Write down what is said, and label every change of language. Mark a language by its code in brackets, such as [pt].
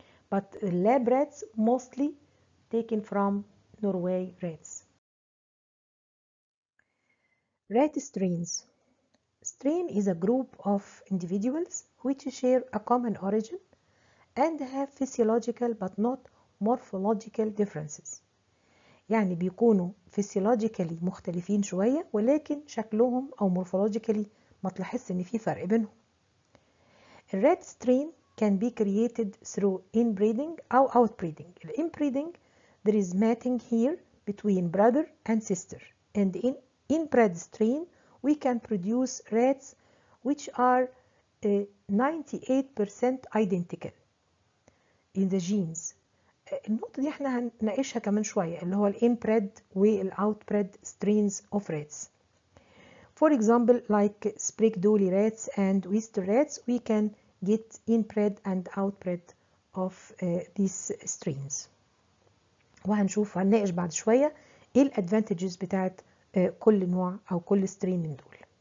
[en] But lab rats mostly taken from Norway rats. Rat strains. Strain is a group of individuals which share a common origin and have physiological but not morphological differences. [ar] يعني بيكونوا فيسيولوجيكالي مختلفين شوية، ولكن شكلهم أو مورفولوجيكالي ما تلاحظ إن في فرق بينهم. [en] الـ rat strain can be created through inbreeding [ar] أو [en] outbreeding. الـ inbreeding there is mating here between brother and sister. And in inbred strain we can produce rats which are 98% identical in the genes. [ar] النقطة دي احنا هنناقشها كمان شوية، اللي هو الـ inbred والـ [en] outbred strains of rats. For example, like sprigged dooley rats and oyster rats, we can get inbred and outbred of these strains. [ar] وهنشوف وهنناقش بعد شوية ايه الـ advantages بتاعت كل نوع أو كل strain من دول.